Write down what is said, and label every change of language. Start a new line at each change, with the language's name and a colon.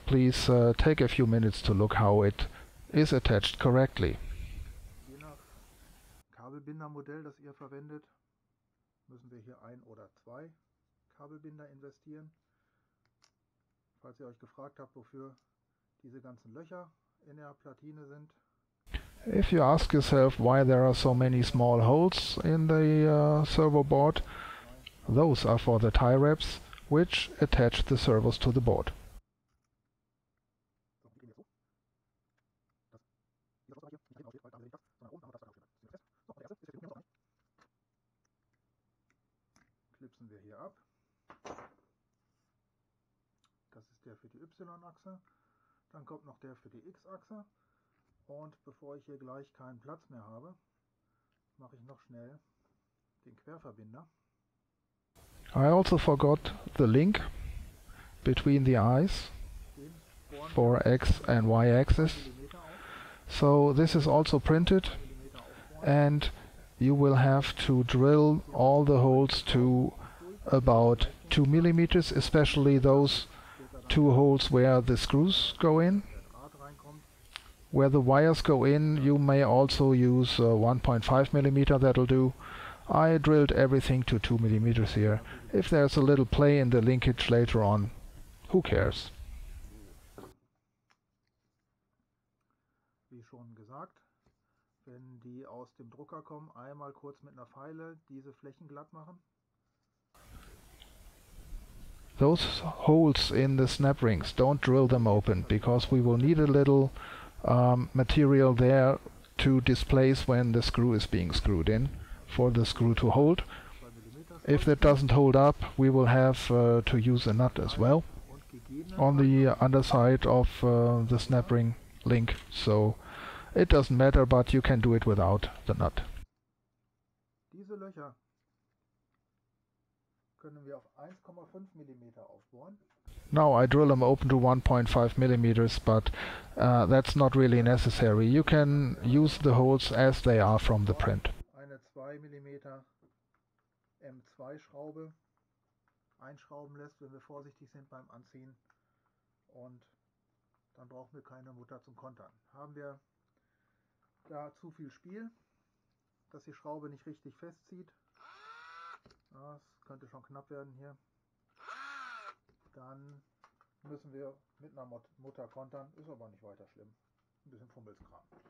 English: Please take a few minutes to look how it is attached correctly.
German: Je nach Kabelbindermodell, das ihr verwendet, müssen wir hier ein oder zwei Kabelbinder investieren. Falls ihr euch gefragt habt, wofür diese ganzen Löcher in der Platine sind.
English: If you ask yourself why there are so many small holes in the servo board, those are for the tie wraps, which attach the servos to the board.
German: Klipsen wir hier ab. Das ist der für die Y-Achse. Dann kommt noch der für die X-Achse. Und bevor ich hier gleich keinen Platz mehr habe, mache ich noch schnell den Querverbinder.
English: I also forgot the link between the eyes for X and Y axis. So this is also printed, and you will have to drill all the holes to about 2 millimeters, especially those two holes where the screws go in. Where the wires go in, you may also use 1.5 millimeter, that'll do. I drilled everything to 2 millimeters here. If there's a little play in the linkage later on, who cares?
German: Wie schon gesagt, wenn die aus dem Drucker kommen, einmal kurz mit einer Feile diese Flächen glatt machen.
English: Those holes in the snap rings, don't drill them open, because we will need a little material there to displace when the screw is being screwed in, for the screw to hold. If that doesn't hold up, we will have to use a nut as well on the underside of the snap ring link. So it doesn't matter, but you can do it without the nut.
German: Diese Löcher können wir auf 1,5 mm aufbohren.
English: Now I drill them open to 1.5 millimeters, but that's not really necessary. You can use the holes as they are from the print.
German: Eine 2 mm M2 Schraube einschrauben lässt, wenn wir vorsichtig sind beim Anziehen, und dann brauchen wir keine Mutter zum Kontern. Haben wir da zu viel Spiel, dass die Schraube nicht richtig festzieht, das könnte schon knapp werden hier, dann müssen wir mit einer Mutter kontern, ist aber nicht weiter schlimm, ein bisschen Fummelskram.